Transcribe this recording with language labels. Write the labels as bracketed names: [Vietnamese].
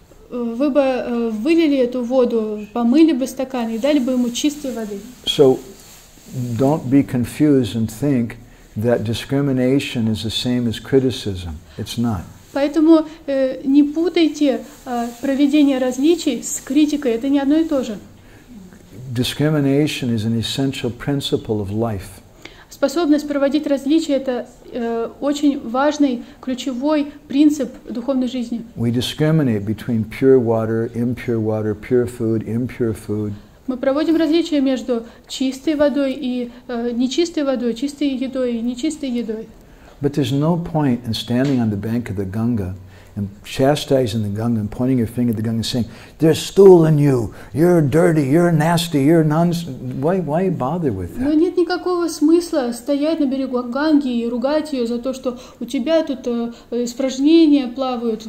[Russian] Вы бы вылили эту воду, помыли бы стакан и дали бы ему чистой воды. [English] So, don't be confused and think that discrimination is the same as criticism. It's not. [Russian] Поэтому не путайте проведение различий с критикой. Это не одно и то же. [English] Discrimination is an essential principle of life. [Russian] Способность проводить различия – это очень важный, ключевой принцип духовной жизни. [English] We discriminate between pure water, impure water, pure food, impure food. [Russian] Мы проводим различия между чистой водой и нечистой водой, чистой едой и нечистой едой. [English] But there's no point in standing on the bank of the Ganga and chastising the Ganga and pointing your finger at the Ganga and saying, "There's stool in you. You're dirty. You're nasty. You're nonsense." Why bother with that? [Russian] Но нет никакого смысла стоять на берегу Ганги и ругать ее за то, что у тебя тут испражнения плавают.